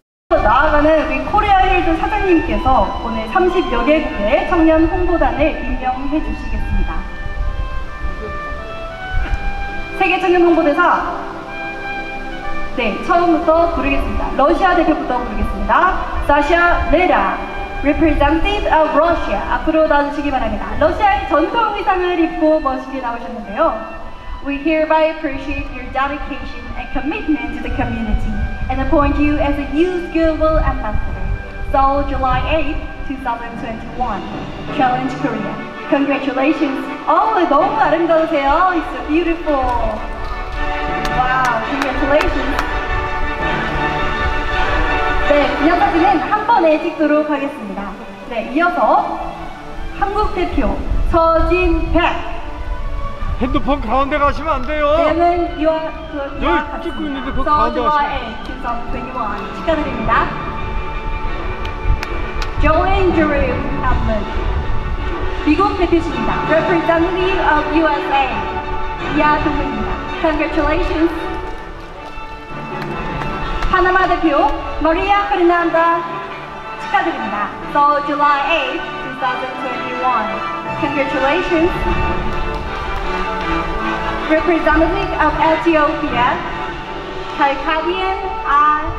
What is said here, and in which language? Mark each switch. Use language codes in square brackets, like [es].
[ko] 나아가는 우리 코리아 힐드 사장님께서 오늘 30여 개국의 청년 홍보단을 임명해 주시겠습니다. 세계 청년 홍보대사. 네, 처음부터 부르겠습니다. 러시아 대표부터 부르겠습니다. [en] 사샤 레라, Representative of Russia. [ko] 앞으로 나와주시기 바랍니다. 러시아의 전통 의상을 입고 멋있게 나오셨는데요. [en] We hereby appreciate your dedication and commitment to the community. And appoint you as a youth global ambassador. Seoul, July 8, 2021. Challenge Korea. Congratulations. [ko] Oh, 너무 아름다우세요. [en] It's so beautiful. Wow, congratulations. [ko] 네, 인사드리는 한 번에 찍도록 하겠습니다. 네, 이어서 한국 대표 서진백. 핸드폰 가운데 가시면 안 돼요. 내는 이왕 그 여기 찍고 있는데 그 가운데 가시면 2021 축하드립니다. Joanne Drew Edmund 미국 대표십니다. [en] Representative of USA [ko] 이하동입니다. [en] Congratulations. [ko] 파나마 대표 마리아 페르난다 축하드립니다. [en] So July 8, 2021 Congratulations. Representative of Ethiopia, Kalkadian A.